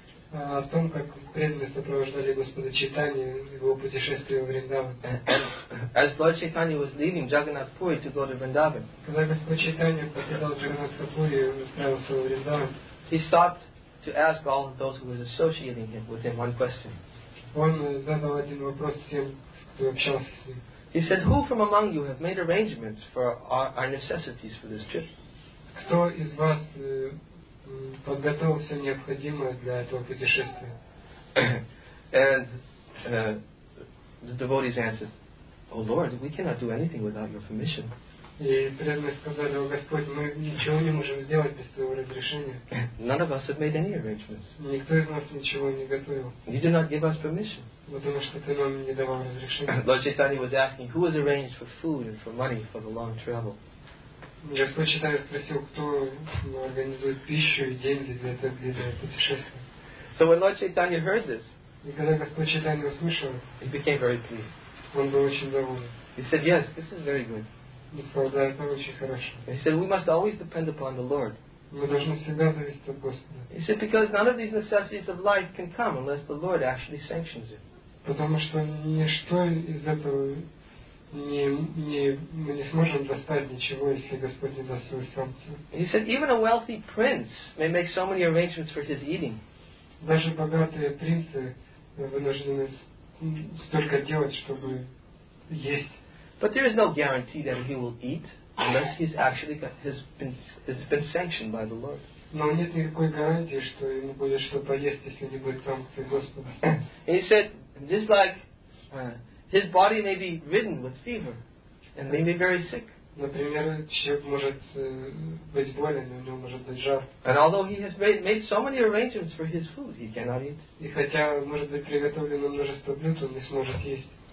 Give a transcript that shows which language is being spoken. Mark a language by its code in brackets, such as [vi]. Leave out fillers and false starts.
[ru] О том, как преданные сопровождали Господа Чайтанью его путешествие в Вриндаван. [en] As Lord Chaitanya was leaving Jagannath Puri to go to Vrindavan. [ru] Когда Господь Чайтанья покидал Джагнатха Пури и отправился в Вриндаван. [en] He stopped to ask all of those who were associating him with him one question. [ru] Он задал один вопрос всем, кто общался с ним. [en] He said, "Who from among you have made arrangements for our necessities for this trip?" [ru] Кто из вас подготовил все необходимое для этого путешествия? [en] And the devotees answered, "Oh Lord, we cannot do anything without your permission." [ru] И преданные сказали: "О Господь, мы ничего не можем сделать без твоего разрешения." [en] None of us have made any arrangements. [ru] Никто из нас ничего не готовил. [en] You did not give us permission. [ru] Потому что ты нам не давал разрешения. [en] Lord Chaitanya was asking, "Who has arranged for food and for money for the long travel?" [ru] Господь Чайтанья спросил, кто организует пищу и деньги для этого длинного путешествия. [en] So when Lord Chaitanya heard this, [ru] и когда Господь Чайтанья услышал, [en] he became very pleased. [ru] Он был очень доволен. [en] He said, "Yes, this is very good." [ru] Он сказал, да, это очень хорошо. [en] He said, "We must always depend upon the Lord." [ru] Мы должны всегда зависеть от Господа. [en] He said, "Because none of these necessities of life can come unless the Lord actually sanctions it." [ru] Потому что ничто из этого мы не сможем достать ничего, если Господь не даст свою санкцию. [en] He said, "Even a wealthy prince may make so many arrangements for his eating." [ru] Даже богатые принцы вынуждены столько делать, чтобы есть. [en] But there is no guarantee that he will eat unless he's actually has been sanctioned by the Lord. [ru] Но нет никакой гарантии, что ему будет что поесть, если не будет санкции Господа. [en] And he said, just like his body may be ridden with fever and may be very sick. [ru] Например, человек может быть болен, у него может быть жар. [en] And although he has made so many arrangements for his food, he cannot eat. [ru] И хотя может быть приготовлено множество блюд, он не сможет есть.